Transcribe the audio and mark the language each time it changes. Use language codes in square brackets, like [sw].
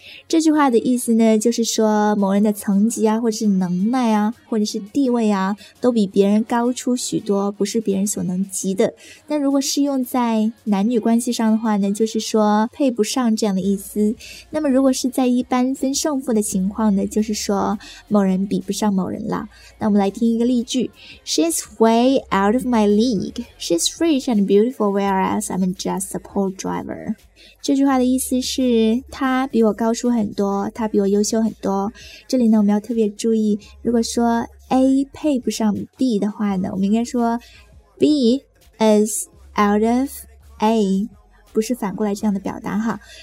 [zh] 这句话的意思呢就是说某人的层级啊，或者是能耐啊，或者是地位啊，都比别人高出许多，不是别人所能及的。那如果适用在男女关系上的话呢，就是说配不上这样的意思。那么如果是在一般分胜负的情况呢，就是说某人比不上某人了。那我们来听一个例句。 [en] She's way out of my league. She's rich and beautiful, whereas I'm just a poor driver. [zh] 这句话的意思是他比我高出很多，他比我优秀很多。这里呢我们要特别注意，如果说 A 配不上 B 的话呢，我们应该说 [en] B is out of A， [zh] 不是反过来这样的表达哈。